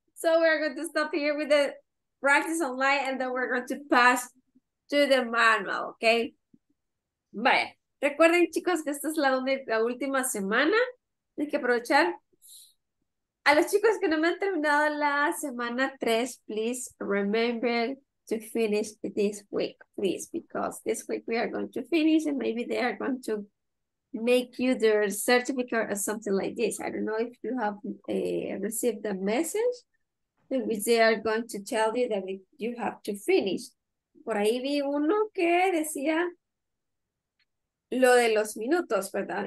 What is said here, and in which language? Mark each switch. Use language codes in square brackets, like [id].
[en] So we're going to stop here with the practice online, and then we're going to pass to the manual, okay? [es] Vaya. Recuerden, chicos, que esta es la última semana. Hay que aprovechar. A los chicos que no me han terminado la semana 3, [en] please remember to finish this week, please, because this week we are going to finish, and maybe they are going to make you their certificate or something like this. I don't know if you have received the message in which they are going to tell you that you have to finish. [es] Por ahí vi uno que decía lo de los minutos, ¿verdad?